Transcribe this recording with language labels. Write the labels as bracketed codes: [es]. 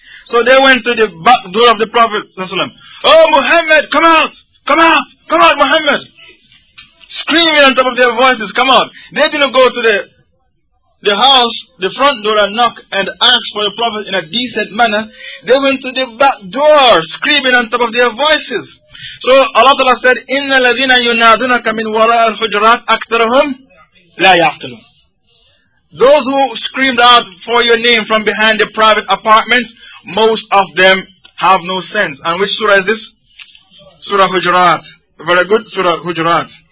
[en] So they went to the back door of the Prophet sallallahu alayhi wa sallam. Oh Muhammad, come out! Come out! Come out Muhammad! Screaming on top of their voices, come out! They didn't go to the house, the front door, and knock and ask for the Prophet in a decent manner. They went to the back door, screaming on top of their voices. So Allah Ta'ala said, [ar] إِنَّ الَّذِينَ يُنَادُونَكَ مِنْ وَرَاءَ الْحُجُرَاتِ أَكْثَرُهُمْ لَا يَعْقِلُونَ. [en] Those who screamed out for your name from behind the private apartments, most of them have no sense. And which surah is this? Surah Hujurat. Very good, Surah Hujurat.